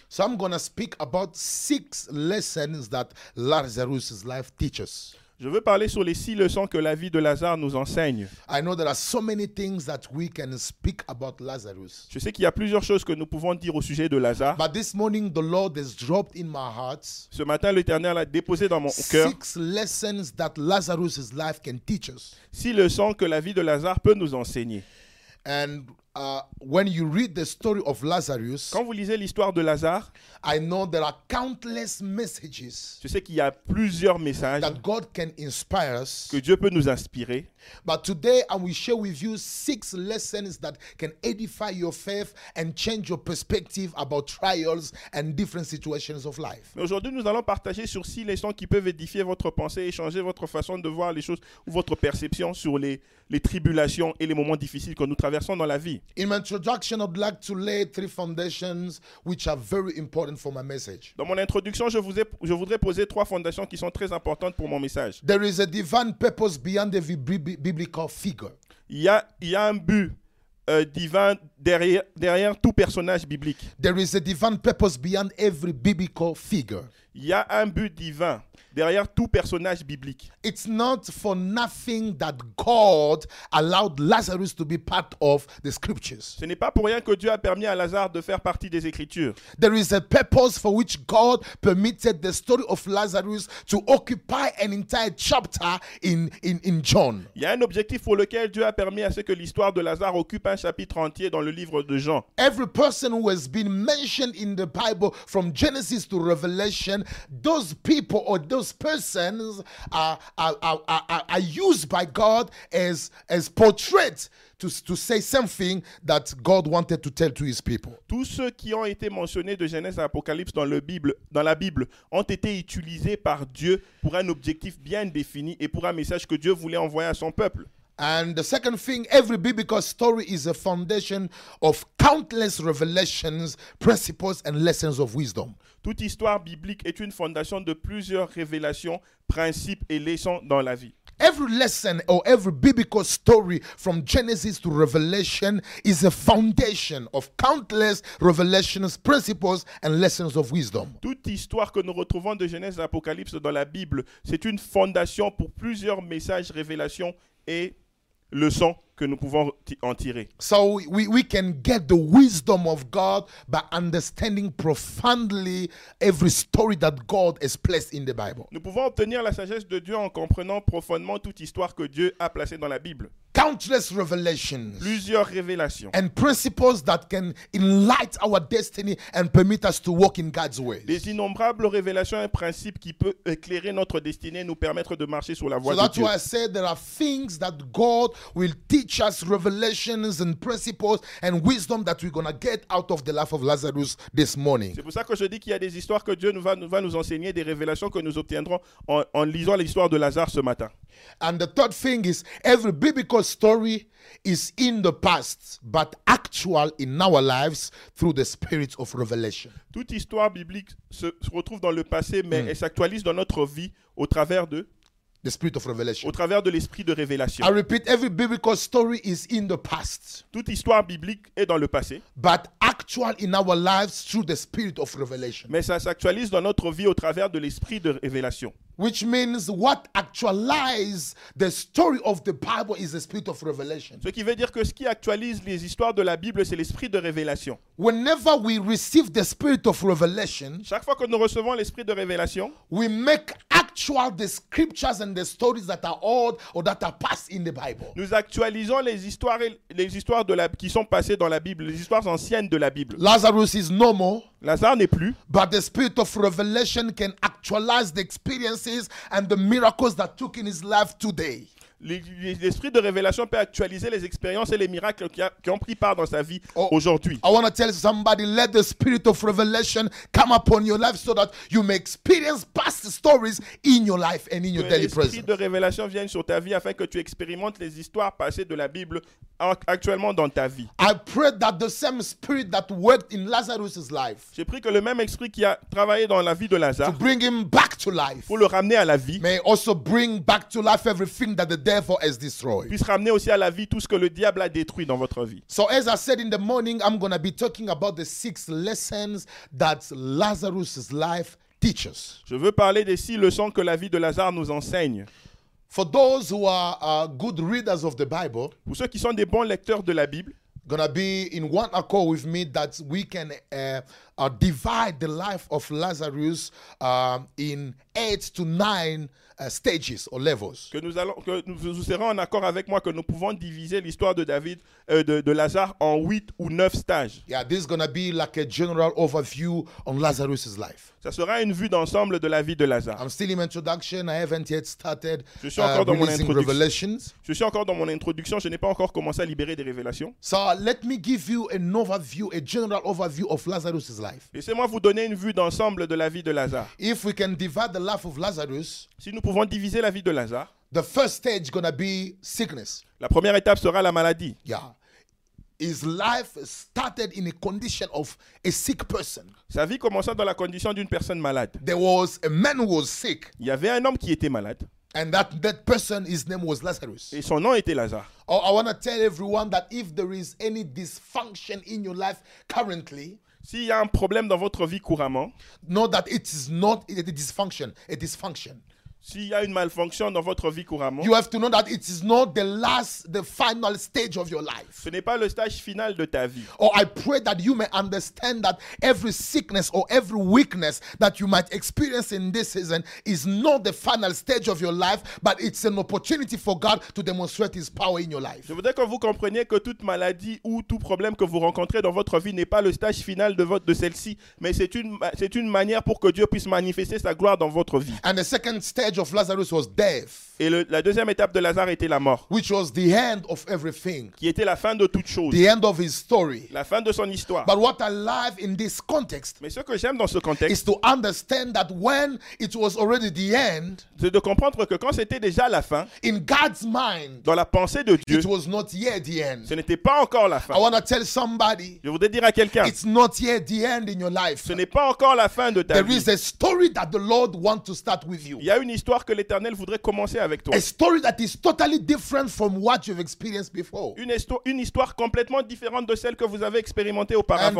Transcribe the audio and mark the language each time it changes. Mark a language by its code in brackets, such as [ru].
[en] So I'm going to speak about six lessons that Lazarus's life teaches. [fr] Je veux parler sur les six leçons que la vie de Lazare nous enseigne. [en] I know there are so many things that we can speak about Lazarus. [fr] Je sais qu'il y a plusieurs choses que nous pouvons dire au sujet de Lazare. [en] But this morning the Lord has dropped in my heart. [fr] Ce matin, l'Éternel a déposé dans mon cœur. [en] Six lessons that Lazarus's life can teach us. [fr] Six leçons que la vie de Lazare peut nous enseigner. [en] And when you read the story of Lazarus, [fr] quand vous lisez l'histoire de Lazare, [en] I know there are countless messages. [fr] Je sais qu'il y a plusieurs messages [en] that God can inspire us. [fr] Que Dieu peut nous inspirer. [en] But today I will share with you six lessons that can edify your faith and change your perspective about trials and different situations of life. [fr] Mais aujourd'hui nous allons partager sur six leçons qui peuvent édifier votre pensée et changer votre façon de voir les choses ou votre perception sur les tribulations et les moments difficiles que nous traversons dans la vie. [en] In my introduction, I'd like to lay three foundations which are very important for my message. [fr] Dans mon introduction, je voudrais poser trois fondations qui sont très importantes pour mon message. [en] There is a divine purpose beyond every biblical figure. [fr] Il y a un but divin derrière tout personnage biblique. [en] There is a divine purpose beyond every biblical figure. [fr] Il y a un but divin derrière tout personnage biblique. [en] It's not for nothing that God allowed Lazarus to be part of the scriptures. [fr] Ce n'est pas pour rien que Dieu a permis à Lazare de faire partie des écritures. [en] There is a purpose for which God permitted the story of Lazarus to occupy an entire chapter in John. [fr] Il y a un objectif pour lequel Dieu a permis à ce que l'histoire de Lazare occupe un chapitre entier dans le livre de Jean. [en] Every person who has been mentioned in the Bible from Genesis to Revelation, those people or those persons are used by God as portraits to say something that God wanted to tell to his people. [fr] Tous ceux qui ont été mentionnés de Genèse à Apocalypse dans la Bible ont été utilisés par Dieu pour un objectif bien défini et pour un message que Dieu voulait envoyer à son peuple. [en] And the second thing, every biblical story is a foundation of countless revelations, principles, and lessons of wisdom. [fr] Toute histoire biblique est une fondation de plusieurs révélations, principes et leçons dans la vie. [en] Every lesson or every biblical story from Genesis to Revelation is a foundation of countless revelations, principles, and lessons of wisdom. [fr] Toute histoire que nous retrouvons de Genèse à Apocalypse dans la Bible, c'est une fondation pour plusieurs messages, révélations et leçons que nous pouvons en tirer. [en] So we can get the wisdom of God by understanding profoundly every story that God has placed in the Bible. [fr] Nous pouvons obtenir la sagesse de Dieu en comprenant profondément toute histoire que Dieu a placée dans la Bible. [en] Countless revelations. [fr] Plusieurs révélations. [en] And principles that can enlighten our destiny and permit us to walk in God's ways. [fr] Des innombrables révélations et principes qui peuvent éclairer notre destinée et nous permettre de marcher sur la voie de Dieu. [en] So that's why I said there are things that God will teach us, revelations and principles and wisdom that we're going to get out of the life of Lazarus this morning. [fr] C'est pour ça que je dis qu'il y a des histoires que Dieu va nous enseigner, des révélations que nous obtiendrons en lisant l'histoire de Lazare ce matin. [en] And the third thing is every biblical story is in the past but actual in our lives through the spirit of revelation. [fr] Toute histoire biblique se retrouve dans le passé mais elle s'actualise dans notre vie au travers de [en] The spirit of revelation. [fr] Au travers de l'esprit de révélation. [en] I repeat, every biblical story is in the past. [fr] Toute histoire biblique est dans le passé. [en] But actual in our lives through the spirit of revelation. [fr] Mais ça s'actualise dans notre vie au travers de l'esprit de révélation. [en] Which means what actualizes the story of the Bible is the spirit of revelation. [fr] Ce qui veut dire que ce qui actualise les histoires de la Bible, c'est l'esprit de révélation. [en] Whenever we receive the spirit of revelation, [fr] chaque fois que nous recevons l'esprit de révélation, [en] we make actual the scriptures and the stories that are old or that are passed in the Bible. [fr] Nous actualisons les histoires de la qui sont passées dans la Bible, les histoires anciennes de la Bible. [en] Lazarus is no more. [fr] Lazare n'est plus. [en] But the spirit of revelation can actualize the experiences and the miracles that took in his life today. [fr] L'esprit de révélation peut actualiser les expériences et les miracles qui ont pris part dans sa vie aujourd'hui. [en] I want to tell somebody, let the spirit of revelation come upon your life so that you may experience past stories in your life and in your daily presence. [fr] Que l'esprit de révélation vienne sur ta vie afin que tu expérimentes les histoires passées de la Bible actuellement dans ta vie. [en] I pray that the same spirit that worked in Lazarus's life. [fr] Je prie que le même esprit qui a travaillé dans la vie de Lazare. [en] To bring him back to life. [fr] Pour le ramener à la vie. [en] May also bring back to life everything that the devil has destroyed. [fr] Puisse ramener aussi à la vie tout ce que le diable a détruit dans votre vie. [en] So as I said in the morning, I'm going to be talking about the six lessons that Lazarus's life teaches. [fr] Je veux parler des six leçons que la vie de Lazare nous enseigne. [en] For those who are good readers of the Bible, [fr] pour ceux qui sont des bons lecteurs de la Bible, [en] gonna be in one accord with me that we can divide the life of Lazarus in 8 to 9 stages or levels. [fr] Que nous serons en accord avec moi que nous pouvons diviser l'histoire de David de Lazare en 8 ou 9 stages. [en] Yeah, this is gonna be like a general overview on Lazarus's life. [fr] Ça sera une vue d'ensemble de la vie de Lazare. [en] I'm still in introduction. I haven't yet started. [fr] Je suis encore dans mon introduction. [en] Revelations. [fr] Je suis encore dans mon introduction. Je n'ai pas encore commencé à libérer des révélations. [en] So let me give you an overview, a general overview of Lazarus's life. [fr] Laissez-moi vous donner une vue d'ensemble de la vie de Lazare. [en] If we can divide the life of Lazarus, [fr] si nous pouvons diviser la vie de Lazare, [en] the first stage gonna be sickness. [fr] La première étape sera la maladie. [en] Yeah. His life started in a condition of a sick person. [fr] Sa vie commença dans la condition d'une personne malade. [en] There was a man who was sick. [fr] Il y avait un homme qui était malade. [en] And that person, his name was Lazarus. [fr] Et son nom était Lazare. [en] Oh, I want to tell everyone that if there is any dysfunction in your life currently, [fr] s'il y a un problème dans votre vie couramment, [en] know that it is not a dysfunction. [fr] S'il y a une malfonction dans votre vie couramment, [en] you have to know that it is not the final stage of your life. [fr] Ce n'est pas le stage final de ta vie. [en] Or I pray that you may understand that every sickness or every weakness that you might experience in this season is not the final stage of your life, but it's an opportunity for God to demonstrate His power in your life. [fr] Je voudrais que vous compreniez que toute maladie ou tout problème que vous rencontrez dans votre vie n'est pas le stage final de celle-ci, mais c'est une manière pour que Dieu puisse manifester sa gloire dans votre vie. [en] And the second stage of Lazarus was death. [fr] Et la deuxième étape de Lazare était la mort. [en] Which was the end of everything. [fr] Qui était la fin de toute chose. [en] The end of his story. [fr] La fin de son histoire. [en] But what I love in this context. [fr] Mais ce que j'aime dans ce contexte. [en] Is to understand that when it was already the end. [fr] C'est de comprendre que quand c'était déjà la fin. [en] In God's mind. [fr] Dans la pensée de Dieu. [en] It was not yet the end. [fr] Ce n'était pas encore la fin. [en] I want to tell somebody. [fr] Je voudrais dire à quelqu'un. [en] It's not yet the end in your life. [fr] Ce n'est pas encore la fin de ta [en] there [fr] vie. [en] There is a story that the Lord wants to start with you. [fr] Il y a une histoire que l'Éternel voudrait commencer avec. [en] A story that is totally different from what you've experienced before. [fr] Une histoire complètement différente de celle que vous avez expérimentée auparavant.